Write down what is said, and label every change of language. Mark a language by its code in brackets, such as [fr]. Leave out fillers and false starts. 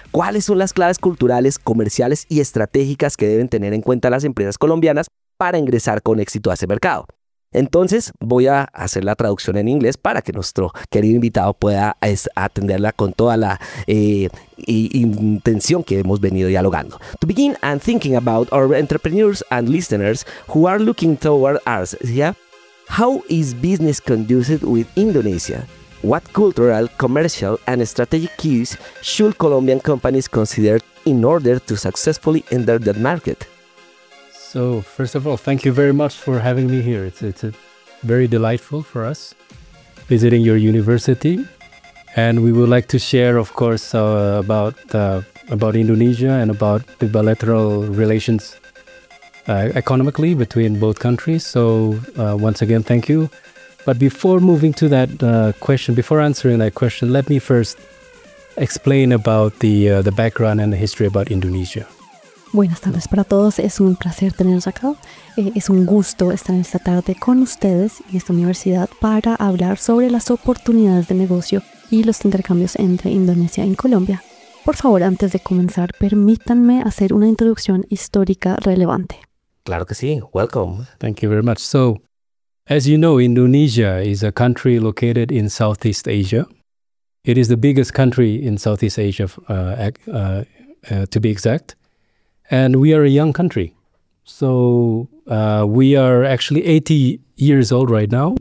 [es] ¿Cuáles son las claves culturales, comerciales y estratégicas que deben tener en cuenta las empresas colombianas para ingresar con éxito a ese mercado? Entonces, voy a hacer la traducción en inglés para que nuestro querido invitado pueda atenderla con toda la intención que hemos venido dialogando. [en] To begin, I'm thinking about our entrepreneurs and listeners who are looking toward Asia. How is business conducted with Indonesia? What cultural, commercial, and strategic cues should Colombian companies consider in order to successfully enter that market? So, first of all, thank you very much for having me here. It's very delightful for us visiting your university. And we would like to share, of course, about Indonesia and about the bilateral relations economically between both countries. So, once again, thank you. But before moving to that question, before answering that question, let me first explain about the background and the history about Indonesia. [es] Buenas tardes para todos. Es un placer tenerlos acá. Es un gusto estar esta tarde con ustedes y esta universidad para hablar sobre las oportunidades de negocio y los intercambios entre Indonesia y Colombia. Por favor, antes de comenzar, permítanme hacer una introducción histórica relevante. Claro que sí. [en] Welcome. Thank you very much. So, as you know, Indonesia is a country located in Southeast Asia. It is the biggest country in Southeast Asia, to be exact. And we are a young country. So we are actually 80 years old right now.